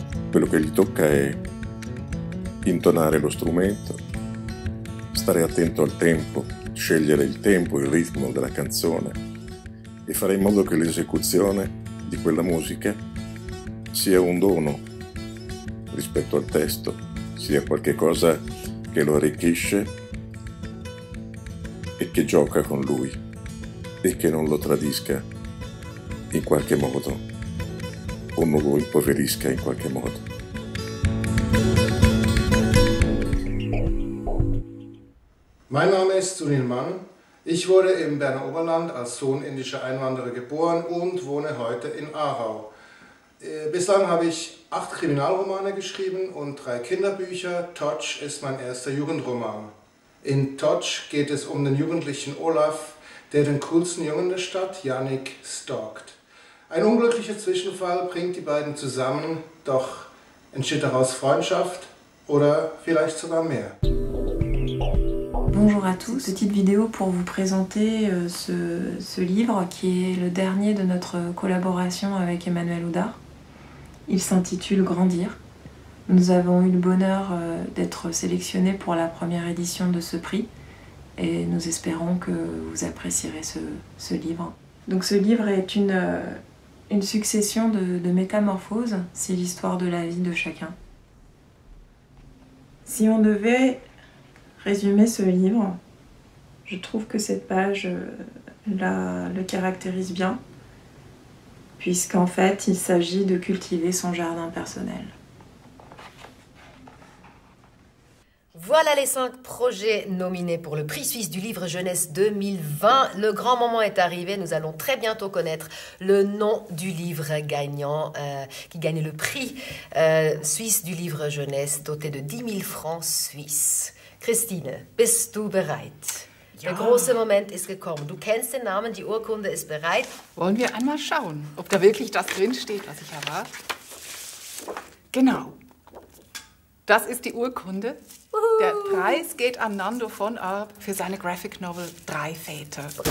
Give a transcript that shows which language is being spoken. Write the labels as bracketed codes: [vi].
[it] Quello che gli tocca è intonare lo strumento, stare attento al tempo, scegliere il tempo, il ritmo della canzone e fare in modo che l'esecuzione di quella musica sia un dono rispetto al testo, sia qualcosa che lo arricchisce e che gioca con lui e che non lo tradisca in qualche modo o non lo impoverisca in qualche modo. [de] Mein Name ist Sunil Mann. Ich wurde im Berner Oberland als Sohn indischer Einwanderer geboren und wohne heute in Aarau. Bislang habe ich 8 Kriminalromane geschrieben und 3 Kinderbücher. Totsch ist mein erster Jugendroman. In Totsch geht es um den Jugendlichen Olaf, der den coolsten Jungen der Stadt, Yannick, stalkt. Ein unglücklicher Zwischenfall bringt die beiden zusammen, doch entsteht daraus Freundschaft oder vielleicht sogar mehr. [fr] Bonjour à tous. Petite vidéo pour vous présenter ce livre qui est le dernier de notre collaboration avec Emmanuel Houdard. Il s'intitule Grandir. Nous avons eu le bonheur d'être sélectionnés pour la première édition de ce prix et nous espérons que vous apprécierez ce livre. Donc ce livre est une succession de métamorphoses, c'est l'histoire de la vie de chacun. Si on devait résumer ce livre, je trouve que cette page le caractérise bien, puisqu'en fait il s'agit de cultiver son jardin personnel. Voilà les 5 projets nominés pour le prix suisse du livre jeunesse 2020. Le grand moment est arrivé, nous allons très bientôt connaître le nom du livre gagnant, qui gagne le prix suisse du livre jeunesse, doté de 10 000 francs suisses. [de] Christine, bist du bereit? Ja. Der große Moment ist gekommen. Du kennst den Namen, die Urkunde ist bereit. Wollen wir einmal schauen, ob da wirklich das drinsteht, was ich erwarte? Genau. Das ist die Urkunde. Der Preis geht an Nando von Arp für seine Graphic Novel Drei Väter.